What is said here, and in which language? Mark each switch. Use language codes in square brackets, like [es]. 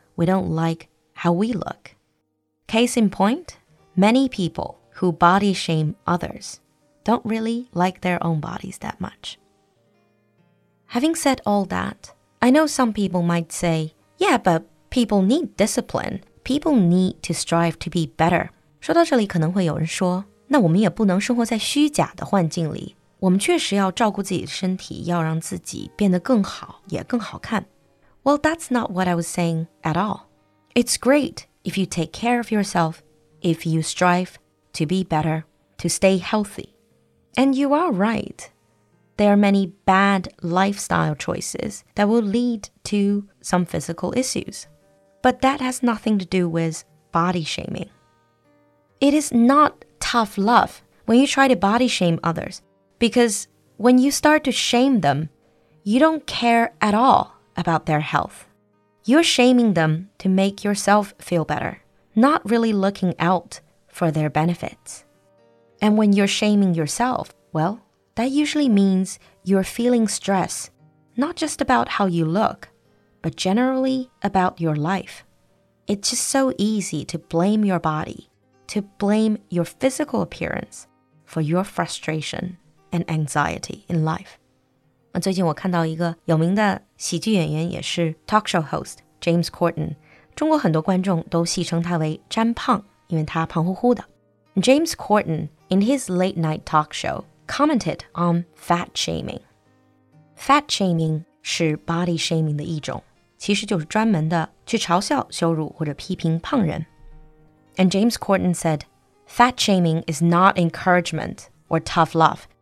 [en] We don't like how we look. Case in point, many people who body shame others don't really like their own bodies that much. Having said all that, I know some people might say, yeah, but people need discipline. People need to strive to be better. [zh] 说到这里可能会有人说，那我们也不能生活在虚假的环境里。我们确实要照顾自己的身体，要让自己变得更好，也更好看。 [en] Well, that's not what I was saying at all. It's great if you take care of yourself, if you strive to be better, to stay healthy. And you are right. There are many bad lifestyle choices that will lead to some physical issues. But that has nothing to do with body shaming. It is not tough love when you try to body shame others. Because when you start to shame them, you don't care at all about their health. You're shaming them to make yourself feel better, not really looking out for their benefits. And when you're shaming yourself, well, that usually means you're feeling stress, not just about how you look, but generally about your life. It's just so easy to blame your body, to blame your physical appearance for your frustration. And anxiety in life. [zh] 那最近我看到一个有名的喜剧演员，也是 talk show host James Corden， 中国很多观众都戏称他为“詹胖”，因为他胖乎乎的。 [en] James Corden in his late night talk show commented on fat shaming. [zh] Fat shaming 是 body shaming 的一种，其实就是专门的去嘲笑、羞辱或者批评胖人。 [en] And James Corden said, "Fat shaming is not encouragement or tough love."